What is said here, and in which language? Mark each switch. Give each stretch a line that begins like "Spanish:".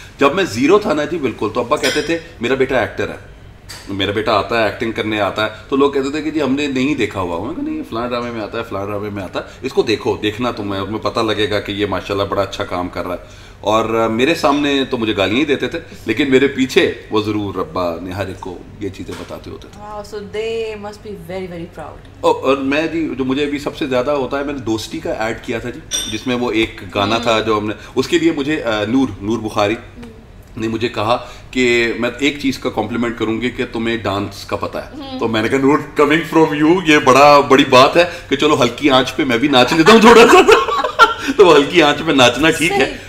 Urdu: جب میں زیرو تھا نا جی بالکل, تو ابا کہتے تھے میرا بیٹا ایکٹر ہے, میرا بیٹا آتا ہے ایکٹنگ کرنے آتا ہے. تو لوگ کہتے تھے کہ جی ہم نے نہیں دیکھا ہوا, میں کہ نہیں فلاں ڈرامے میں آتا ہے فلاں ڈرامے میں آتا ہے, اس کو دیکھو, دیکھنا تمہیں اور پتہ لگے گا کہ یہ ماشاء اللہ بڑا اچھا کام کر رہا ہے. اور میرے سامنے تو مجھے گالیاں ہی دیتے تھے لیکن میرے پیچھے وہ ضرور ربا نے ہر ایک کو یہ چیزیں بتاتے ہوتے تھے.
English: Wow, so they must be very, very proud.
Urdu: اور میں جی جو مجھے بھی سب سے زیادہ ہوتا ہے, میں نے دوستی کا ایڈ کیا تھا جی جس میں وہ ایک گانا تھا جو ہم نے اس کے لیے مجھے نور بخاری نے مجھے کہا کہ میں ایک چیز کا کمپلیمنٹ کروں گی کہ تمہیں ڈانس کا پتہ ہے. تو میں نے کہا نور
English: coming from you
Urdu: یہ بڑی بات ہے کہ چلو ہلکی آنچ پہ میں بھی ناچ لیتا ہوں تھوڑا سا, تو ہلکی آنچ پہ ناچنا ٹھیک ہے.